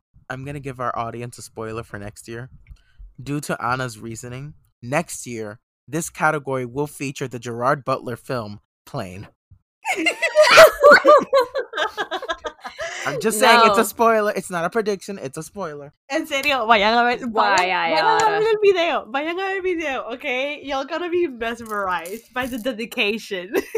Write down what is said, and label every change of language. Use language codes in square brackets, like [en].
[en] I'm gonna give our audience a spoiler for next year. Due to Anna's reasoning, next year, this category will feature the Gerard Butler film, Plane. I'm just saying, no. It's a spoiler. It's not a prediction. It's a spoiler. [es] En serio, vayan a ver el video. Vayan a ver el video, okay? [en] Y'all gonna be mesmerized by the dedication.